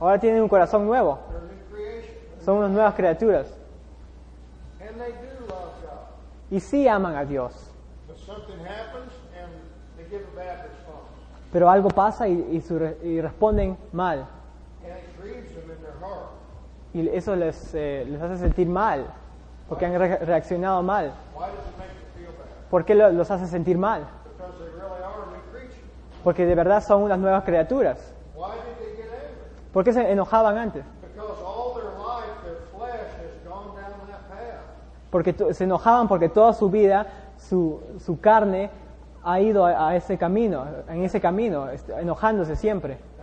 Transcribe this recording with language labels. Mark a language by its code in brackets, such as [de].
[es] Ahora tienen un corazón nuevo. [en] They're a new creation. [es] somos nuevas criaturas. [en] And they do love God. [es] Y sí aman a Dios. [en] But something happens and they give a bad response. [es] Pero algo pasa y responden mal. [en] And it grieves them in their heart. [es] Y eso les hace sentir mal, porque han reaccionado mal. [en] Why does it make them feel bad? [es] ¿Por qué los hace sentir mal? [en] Because they really are a new creature. [es] Porque de verdad son unas nuevas criaturas. [en] Why did they get angry? [es] ¿Por qué se enojaban antes? [en] Because all their life, their flesh has gone down that path. [es] Porque se enojaban porque toda su vida, su carne ha ido a ese camino, en ese camino, enojándose siempre.